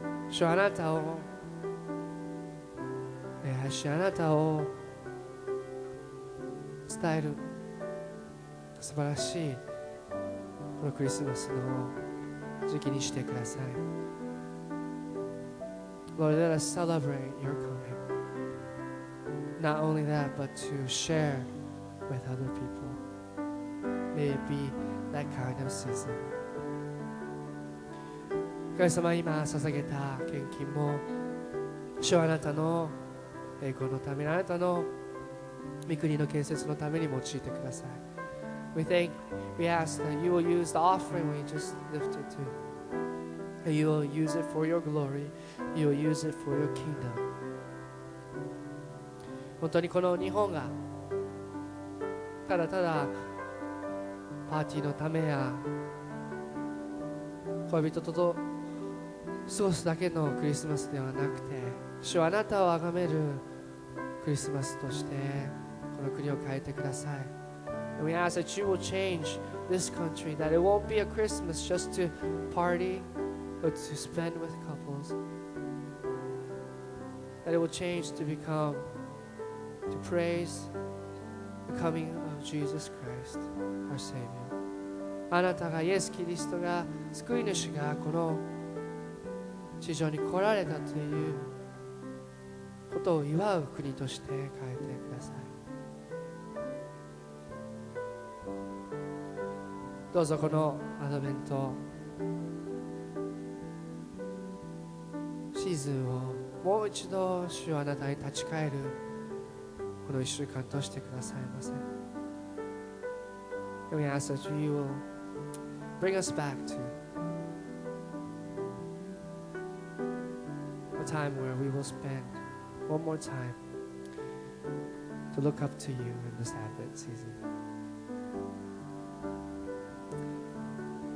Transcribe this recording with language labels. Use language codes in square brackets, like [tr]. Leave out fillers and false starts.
[ja] 主、あなたを、私あなたを伝える素晴らしいこのクリスマスの時期にしてください。 [en] Lord, let us celebrate your coming, not only that but to share with other people. May it be that kind of season. [ja] 神様、今捧げた献金も主あなたの栄光のため、あなたの御国の建設のために用いてください。 [en] We ask that you will use the offering we just lifted to. You will use it for your glory. You will use it for your kingdom. [ja] 本当にこの日本がただただパーティーのためや恋人と過ごすだけのクリスマスではなくて、主はあなたを崇めるクリスマスとしてこの国を変えてください。 [en] And we ask that you will change this country, that it won't be a Christmas just to party, but to spend with couples. That it will change to become, to praise the coming of Jesus Christ, our Savior. [ja] あなたが、イエス・キリストが、救い主がこの地上に来られたという、ことを祝う国として変えてください。どうぞこのアドベントシーズンをもう一度主はあなたに立ち返るこの一週間通してくださいませ。 [en] We ask that you will bring us back to a time where we will spend one more time to look up to you in this Advent season.